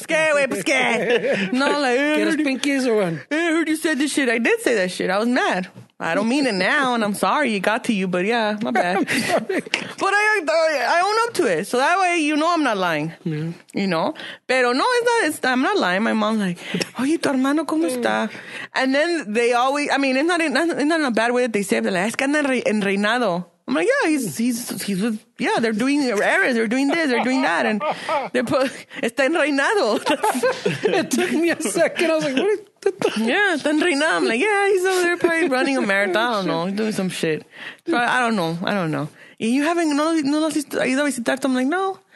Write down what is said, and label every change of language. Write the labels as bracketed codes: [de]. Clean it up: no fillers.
[es] ¿Qué, güey? Pues qué. No, [en] like, [es] ¿quieres [en] pinkies or what? I heard you said this shit. I did say that shit. I was mad. I don't mean it now, and I'm sorry it got to you, but yeah, my bad. But I own up to it, so that way you know I'm not lying, you know? Pero no, I'm not lying. My mom's like, [es] oye, tu hermano, ¿cómo está? [en] And then they always, I mean, it's not in a bad way that they say it, but like, [es] es que anda en reinado. [en] I'm like, yeah, he's with, yeah, they're doing errands, they're doing this, they're doing that, and they're [es] está en reinado. [en] It took me a second, I was like, what is yeah, then right now I'm like, yeah, he's over there probably running a marathon. I don't know, he's doing some shit. So I don't know. And you haven't, no, no, he's always talking. I'm like, no,